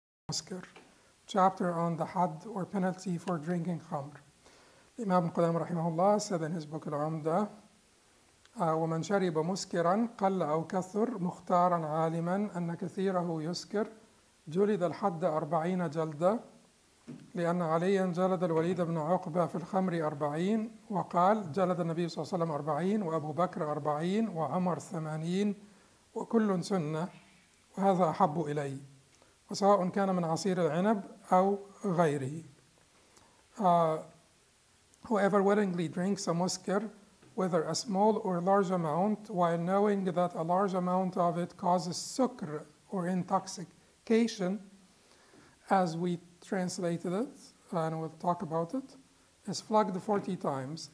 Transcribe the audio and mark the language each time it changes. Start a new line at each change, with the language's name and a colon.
English: Asker, chapter on the had or penalty for drinking khamr. Imām Qudāmah rahimahullah said in his book al-Umdat,
Arabic: وَمَنْ شَرِبَ مُسْكِرًا قَلَّ أَوْ كَثُرْ مُخْتَارًا عَالِمًا أَنَّ كَثِيرَهُ يُسْكِرْ جُلِدَ الْحَدَّ أَرْبَعِينَ جَلْدًا لِأَنَّ عَلِيًّا جَلَدَ الْوَلِيدَ بْنُ عُقْبَةَ فِي الْخَمْرِ أَرْبَعِينَ وَقَالَ جَلَدَ النَّبِيُّ صَلَّى اللَّهُ عَلَيْهِ وَسَلَّمَ أَرْبَعِينَ وَأَبُو بَكْرَ أَرْبَعِينَ وَعُمَرَ ثَمَانِينَ وَكُلٌّ سُنَّةٌ وَهَذَا أَحَبُّ إِلَيَّ وَسَوَاءٌ كَانَ مِنْ عَصِيرِ الْعِنَبِ أَوْ غَيْرِهِ.
English: Whoever willingly drinks a muskir, whether a small or large amount, while knowing that a large amount of it causes sukr or intoxication, as we translated it, and we'll talk about it, is flogged 40 times.